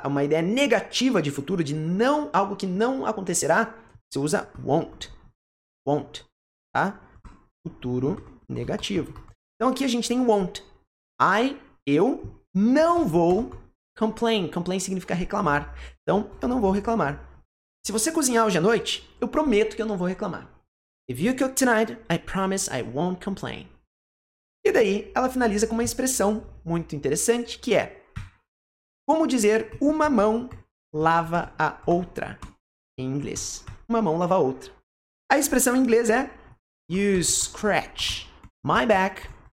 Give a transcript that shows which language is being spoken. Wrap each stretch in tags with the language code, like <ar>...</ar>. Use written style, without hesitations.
<pt>Uma ideia negativa de futuro, de não... Algo que não acontecerá, você usa won't. Won't. Tá? Futuro negativo. Então, aqui a gente tem won't. Eu não vou complain. Complain significa reclamar. Então, eu não vou reclamar. Se você cozinhar hoje à noite, eu prometo que eu não vou reclamar.</pt> <en>If you cook tonight, I promise I won't complain.</en> <pt>E daí, ela finaliza com uma expressão muito interessante, que é... Como dizer uma mão lava a outra? Em inglês. Uma mão lava a outra. A expressão em inglês é...</pt> <en>You scratch my back...</en>